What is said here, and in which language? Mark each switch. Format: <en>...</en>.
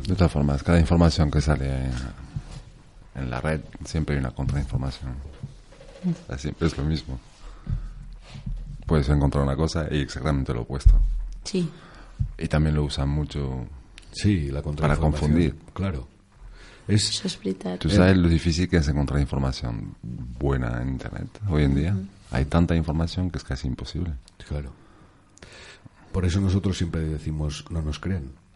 <ca>De totes formes, cada informació que</ca> <es>sale en la red</es> <ca>sempre hi ha una contrainformació. Sempre és</ca> <es>el mismo. Puedes encontrar una cosa i exactament lo opuesto. Sí.</es> <ca>I també</ca> <es>lo usan mucho.</es> <ca>Sí, la contrainformació.</ca> <es>Para confundir. Claro.</es> <ca>Això és veritat.</ca> <es>Tu sabes lo difícil que és encontrar informació buena en internet hoy en día. Hay tanta informació que és casi imposible. Claro. Por eso nosotros siempre decimos no nos crean.</es>